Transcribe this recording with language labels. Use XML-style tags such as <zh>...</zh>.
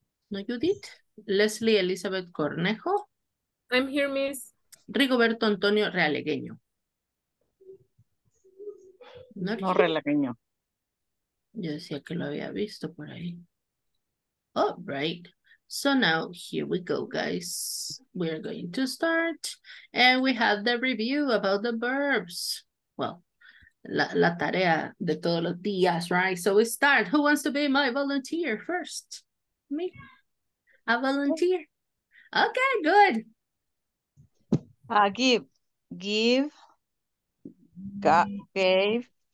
<en>No, Judith. Leslie Elizabeth Cornejo. I'm here, Miss. Rigoberto Antonio Realegueño. No, no Realegueño.</en> <es>Yo decía que lo había visto por ahí.</es> <en>Alright, so now here we go, guys. We are going to start, and we have the review about the verbs.</en> <es>Well, la tarea de todos los días, right?</es> <en>So we start. Who wants to be my volunteer first? Me. A volunteer. Okay, good. Give. Gave.</en>